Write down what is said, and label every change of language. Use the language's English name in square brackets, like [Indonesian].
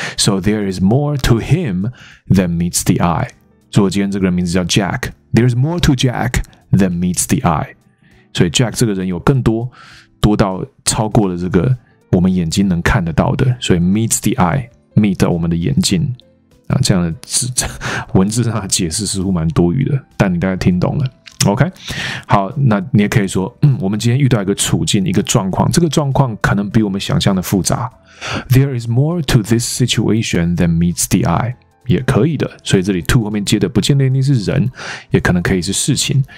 [English] So there is more to him than meets the eye。 [Chinese] 如果今天这个人名字叫 [English] Jack， there's more to Jack than meets the eye。 [Chinese] 所以 Jack 这个人有更多，多到超过了这个我们眼睛能看得到的。 [English] 所以 meets the eye。 [Chinese] meet 到我们的眼睛啊，这样的文字上的解释似乎蛮多余的，但你大概听懂了。 OK， 好，那你也可以说，我们今天遇到一个处境，一个状况，这个状况可能比我们想象的复杂。 [English] There is more to this situation than meets the eye， 也可以的。 [Chinese] 所以这里 to 后面接的不见得一定是人，也可能可以是事情。